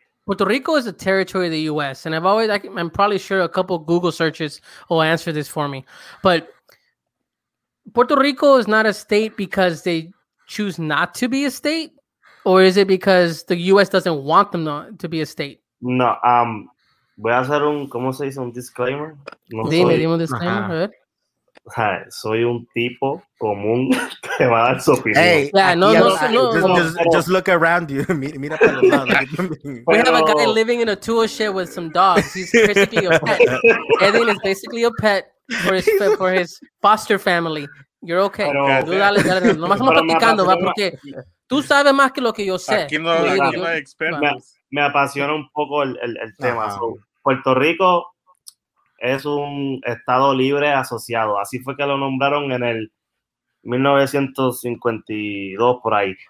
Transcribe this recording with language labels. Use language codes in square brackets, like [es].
[en] Puerto Rico is a territory of the U.S., and I'm probably sure a couple Google searches will answer this for me. But Puerto Rico is not a state because they choose not to be a state, or is it because the U.S. doesn't want them to be a state? [es] No, voy a hacer un, ¿cómo se dice? Un disclaimer. No, dime, dime un disclaimer. Uh-huh. Soy un tipo común que va a dar su opinión. [en] Hey, yeah, just look around you. [es] Mira para los lados. [en] We have a guy living in a tool shed with some dogs. He's basically a pet. Edwin is basically a pet for his foster family. You're okay. [es] No más estamos platicando, va, porque tú sabes más que lo que yo sé. Aquí no hay expertos. Me apasiona un poco el tema. So, Puerto Rico es un estado libre asociado. Así fue que lo nombraron en el 1952, por ahí.